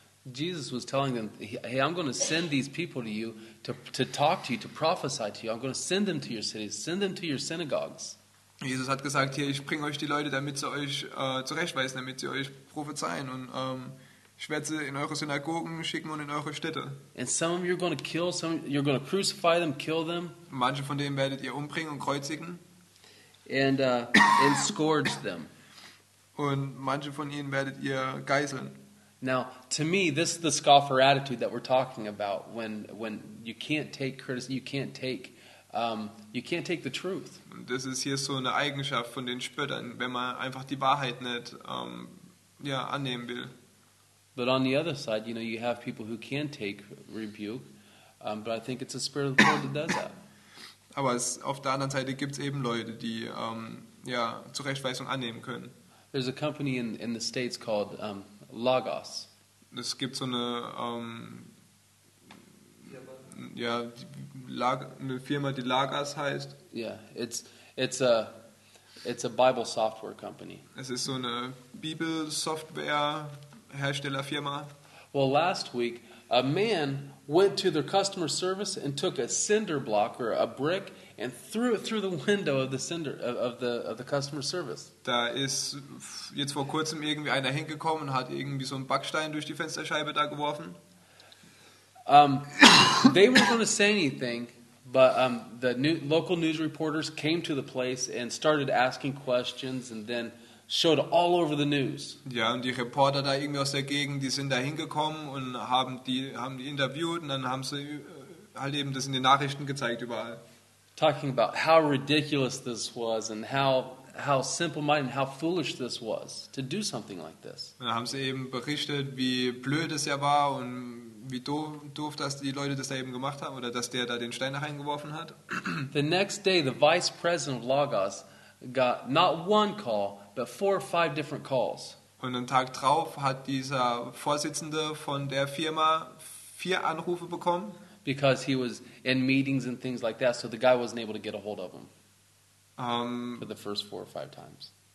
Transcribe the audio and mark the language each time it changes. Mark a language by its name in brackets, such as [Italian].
[English] Jesus was telling them, hey, I'm going to send these people to you to talk to you, to prophesy to you. I'm going to send them to your cities, send them to your synagogues. [German] Jesus hat gesagt, hier, ich bringe euch die Leute, damit sie euch zurechtweisen, damit sie euch prophezeien und ich werde sie in eure Synagogen schicken und in eure Städte. [English] And some of you are going to kill, some you're going to crucify them, kill them. [German] Manche von denen werdet ihr umbringen und kreuzigen. [English] And scourge them. [German] Und manche von ihnen werdet ihr geißeln. [English] Now, to me, this is the scoffer attitude that we're talking about when you can't take criticism, you can't take the truth. [German] Und das ist hier so eine Eigenschaft von den Spöttern, wenn man einfach die Wahrheit nicht annehmen will. [English] But on the other side, you know, you have people who can take rebuke, but I think it's the spirit of the Lord that does that. [German] Aber es, auf der anderen Seite gibt's eben Leute, die Zurechtweisung annehmen können. [English] There's a company in the States called Lagos. [German] Es gibt so eine eine Firma, die Lagos heißt. [English] Yeah, it's a Bible software company. [German] Es ist so eine Bibel-Software. Herstellerfirma. [English] Well, last week, a man went to their customer service and took a cinder block or a brick and threw it through the window of the cinder of the customer service. [German] Da ist jetzt vor kurzem irgendwie einer hingekommen und hat irgendwie so einen Backstein durch die Fensterscheibe da geworfen. [English] They weren't going to say anything, but the new local news reporters came to the place and started asking questions and then showed all over the news. [German] Ja, und die Reporter da irgendwie aus der Gegend, die sind da hingekommen und haben die interviewt und dann haben sie halt eben das in den Nachrichten gezeigt überall. [English] Talking about how ridiculous this was and how simple-minded and how foolish this was to do something like this. [German] Und dann haben sie eben berichtet, wie blöd es ja war und wie doof, dass die Leute das da eben gemacht haben oder dass der da den Stein reingeworfen hat. [English] The next day, the vice president of Lagos got not one call, but four or five different calls. [German] Und einen Tag drauf hat dieser Vorsitzende von der Firma vier Anrufe bekommen. [English] Because he was in meetings and things like that, so the guy wasn't able to get a hold of him. For the first four or five times.